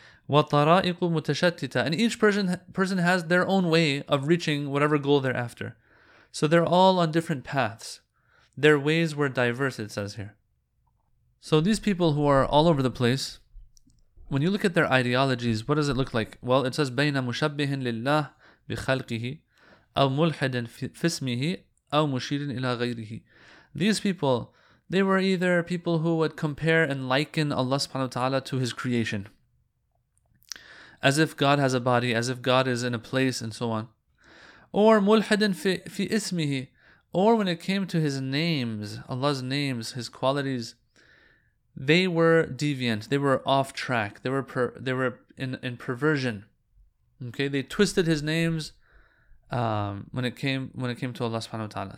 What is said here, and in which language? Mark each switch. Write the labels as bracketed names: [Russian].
[Arabic] وَطَرَائِقُ مُتَشَتِّتَ. [English] And each person has their own way of reaching whatever goal they're after. So they're all on different paths. Their ways were diverse, it says here. So these people who are all over the place, when you look at their ideologies, what does it look like? Well, it says, [Arabic] بَيْنَ مُشَبِّهٍ لِلَّهِ بِخَلْقِهِ أَوْ مُلْحَدٍ فِي اسْمِهِ أَوْ مُشِيرٍ إِلَى غَيْرِهِ. [English] These people, they were either people who would compare and liken Allah subhanahu wa ta'ala to His creation, as if God has a body, as if God is in a place, and so on. [Arabic] Or مُلْحَدٍ فِي اسْمِهِ. [English] Or when it came to His names, Allah's names, His qualities, they were deviant, they were off track, they were in perversion. Okay, they twisted His names when it came to Allah subhanahu wa ta'ala.